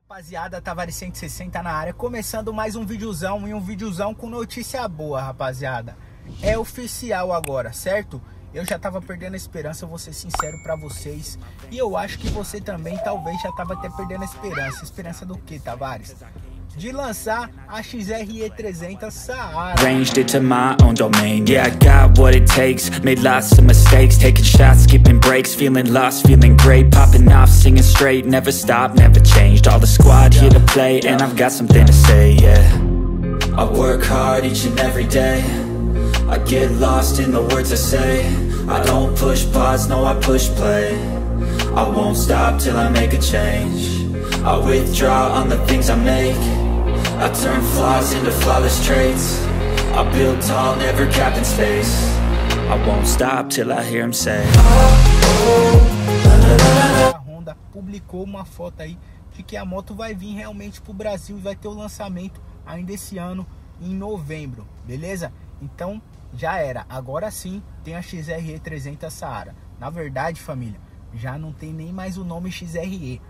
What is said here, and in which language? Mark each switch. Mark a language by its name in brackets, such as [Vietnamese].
[Portuguese] Rapaziada, Tavares 160 na área, começando mais um videozão e um videozão com notícia boa, rapaziada. É oficial agora, certo? Eu já tava perdendo a esperança, vou ser sincero pra vocês. E eu acho que você também, talvez, já tava até perdendo a esperança. Esperança do que, Tavares? De lançar a XRE 300 Saara. [English] Ranged it to my own domain. Yeah, I got what it takes. Made lots of mistakes. Taking shots, skipping breaks. Feeling lost, feeling great. Popping off, singing straight. Never stopped, never changed. All the squad here to play. And I've got something to say, yeah. I work hard each and every day. I get lost in the words I say. I don't push pause, no, I push play. I won't stop till I make a change. I withdraw on the things I make. I turn flaws into flawless traits. I build tall, never capped in space. I won't stop till I hear him say. [Portuguese] A Honda publicou uma foto aí de que a moto vai vir realmente pro Brasil e vai ter o lançamento ainda esse ano, em novembro, beleza? Então, já era. Agora sim, tem a XRE 300 Saara. Na verdade, família, já não tem nem mais o nome XRE.